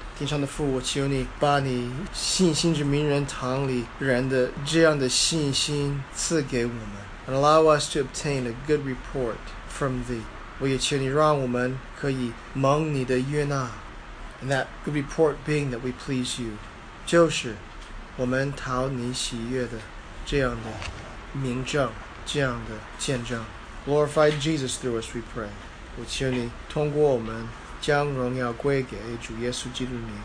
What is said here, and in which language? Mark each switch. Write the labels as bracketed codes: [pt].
[zh] 天上的父，我求你把你信心之名人堂里人的这样的信心赐给我们。 [en] And allow us to obtain a good report. From thee. [zh] 我也求你让我们可以蒙你的悦纳。 [en] And that good report being that we please you. [zh] 就是我们讨你喜悦的这样的明证，这样的见证。 [en] Glorify Jesus through us, we pray. [zh] 我求你通过我们将荣耀归给主耶稣基督的名。